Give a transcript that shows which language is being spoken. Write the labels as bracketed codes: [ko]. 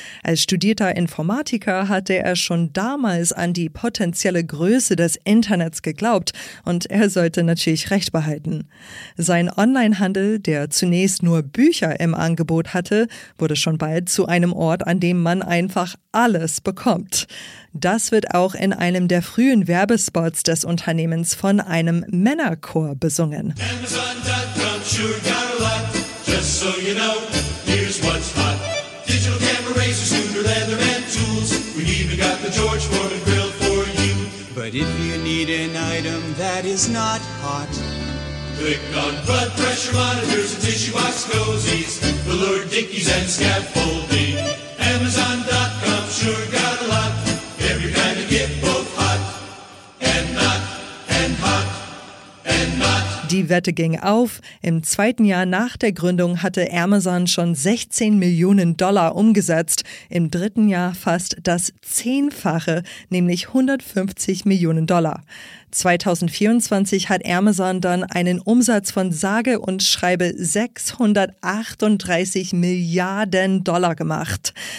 [de] Als studierter Informatiker hatte er schon damals an die potenzielle Größe des Internets geglaubt und er sollte natürlich recht behalten. Sein Onlinehandel, der zunächst nur Bücher im Angebot hatte, wurde schon bald zu einem Ort, an dem man einfach alles bekommt. Das wird auch in einem der frühen Werbespots des Unternehmens von einem Männerchor besungen. [en] Amazon.com sure got a lot, just so you know, here's what's hot. Digital camera, razor, scooter, leather and tools. We even got the George Foreman grill for you. But if you need an item that is not hot, click on blood pressure monitors and tissue box cozies, velour dickies and scaffolding. Amazon.com sure got a lot. Every kind of gift, both hot and not. [de] Die Wette ging auf. Im zweiten Jahr nach der Gründung hatte Amazon schon 16 Millionen Dollar umgesetzt. Im dritten Jahr fast das Zehnfache, nämlich 150 Millionen Dollar. 2024 hat Amazon dann einen Umsatz von sage und schreibe 638 Milliarden Dollar gemacht.